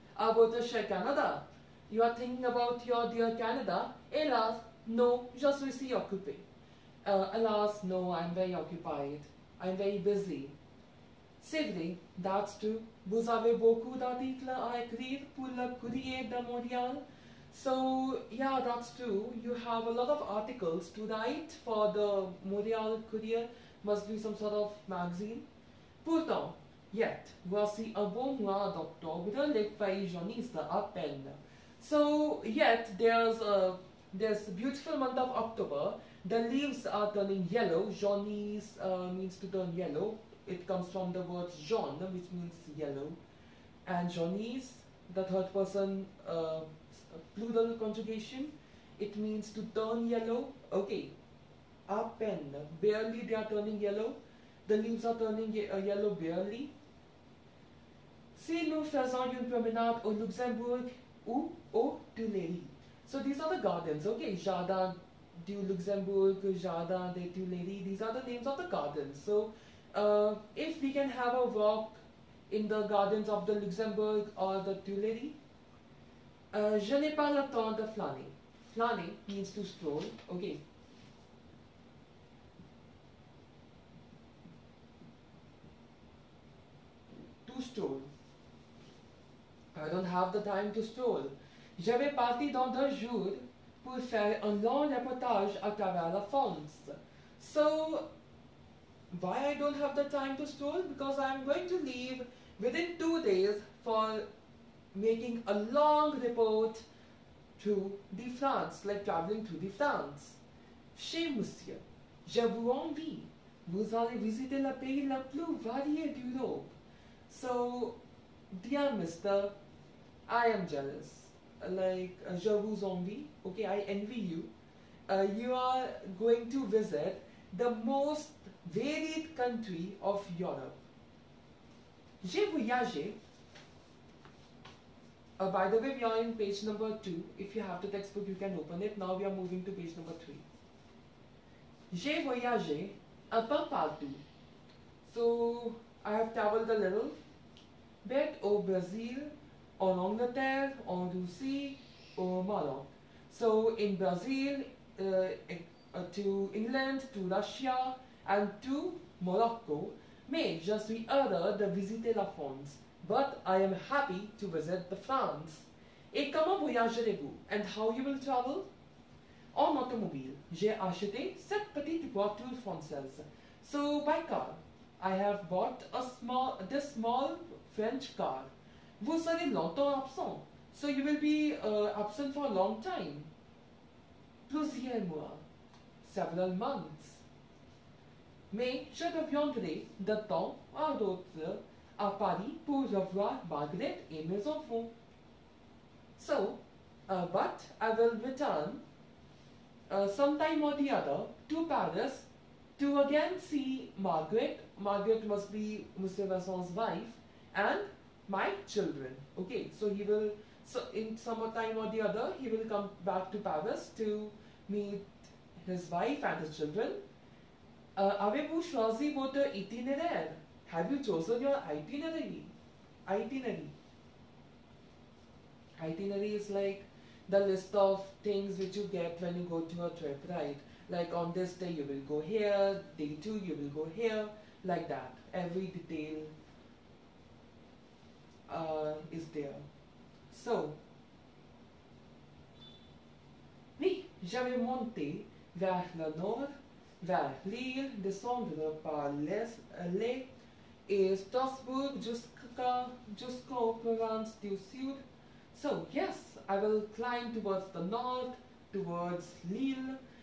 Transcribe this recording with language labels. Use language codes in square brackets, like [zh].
[en] About your cher Canada. You are thinking about your dear Canada? [fr] Hélas, [en] no, [fr] je suis si occupé. [en] Alas, no, I'm very occupied. I'm very busy. [fr] C'est vrai, [en] that's true. [fr] Vous avez beaucoup d'articles à écrire pour le courrier de Montréal? [en] So, yeah, that's true. You have a lot of articles to write for the Montreal Courier. Must be some sort of magazine. [fr] Pourtant, yet, voici un bon mois d'octobre, les feuilles jaunissent à peine. [en] So, yet, there's this beautiful month of October. The leaves are turning yellow. Jaunisse means to turn yellow. It comes from the word jaune, which means yellow. And jaunisse, the third person, plural conjugation, it means to turn yellow. Okay, [fr] a peine, [en] barely they are turning yellow. The leaves are turning yellow barely. [fr] Si nous faisons une promenade au Luxembourg ou au Tuileries. [en] So these are the gardens, okay. Jardin du Luxembourg, Jardin des Tuileries. These are the names of the gardens. So if we can have a walk in the gardens of the Luxembourg or the Tuileries. [fr] Je n'ai pas le temps de flâner. Flâner [en] means to stroll. Okay. To stroll. I don't have the time to stroll. [fr] Je vais partir dans deux jours pour faire un long reportage à travers la France. [en] So, why I don't have the time to stroll? Because I'm going to leave within 2 days for making a long report to the France, like traveling to the France. [fr] Chez Monsieur, je vous envie. Vous allez visiter le pays le plus varié d'Europe. [en] So, dear Mister, I am jealous. Like, [fr] je vous envie. [en] Okay, I envy you. You are going to visit the most varied country of Europe. [fr] J'ai voyagé. [en] By the way, we are in page number 2. If you have the textbook, you can open it. Now we are moving to page number 3. [fr] J'ai voyagé un peu partout. [en] So, I have traveled a little bit [fr] au Brazil, en Angleterre, en Russie, au Maroc. [en] So, in Brazil, to England, to Russia, and to Morocco. [fr] Mais je suis heureux de visiter la France. [en] But I am happy to visit the France. [fr] Et comment voyagerez-vous? [en] And how you will travel? [fr] En automobile. J'ai acheté cette petite voiture française. [en] So, by car. I have bought this small French car. [fr] Vous serez longtemps absent. [en] So you will be absent for a long time. [fr] Plusieurs mois. [en] Several months. [fr] Mais je reviendrai de temps à autre à Paris pour revoir Margaret et mes enfants. [en] So, but I will return sometime or the other to Paris to again see Margaret. Margaret must be Monsieur Vincent's wife and my children. Okay, so he will, so in summertime or the other, he will come back to Paris to meet his wife and his children. [fr] Avez-vous choisi votre itinéraire? [en] Have you chosen your itinerary? Itinerary. Itinerary is like the list of things which you get when you go to a trip, right? Like on this day you will go here, day two you will go here, like that. Every detail is there. [fr] So, oui, j'avais monté vers le nord, vers Lille, descendre par l'Est et Strasbourg jusqu'au province du Sud. [en] So, yes, I will climb towards the north, towards Lille.